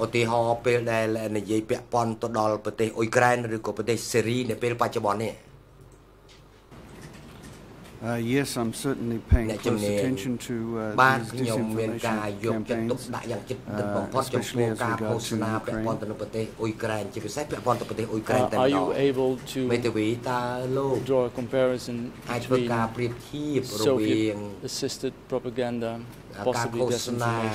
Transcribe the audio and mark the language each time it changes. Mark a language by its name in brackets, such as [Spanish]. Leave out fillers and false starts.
[Khmer] ឧទាហរណ៍ពេលដែលនិយាយពាក់ព័ន្ធទៅដល់ប្រទេសអ៊ុយក្រែនឬក៏ប្រទេសសេរីនៅពេលបច្ចុប្បន្ននេះ [English] Yes I'm certainly paying close attention to [Khmer] បាទខ្ញុំមានការយកចិត្តទុកដាក់យ៉ាងជិតទៅបំផុតចំពោះការឃោសនាពាក់ព័ន្ធទៅនឹងប្រទេសអ៊ុយក្រែនជាពិសេសពាក់ព័ន្ធទៅប្រទេសអ៊ុយក្រែនតែម្ដងមេតាវីតាលោកអាចធ្វើការប្រៀបធៀបរវាង [English] assisted propaganda [Khmer] ការឃោសនា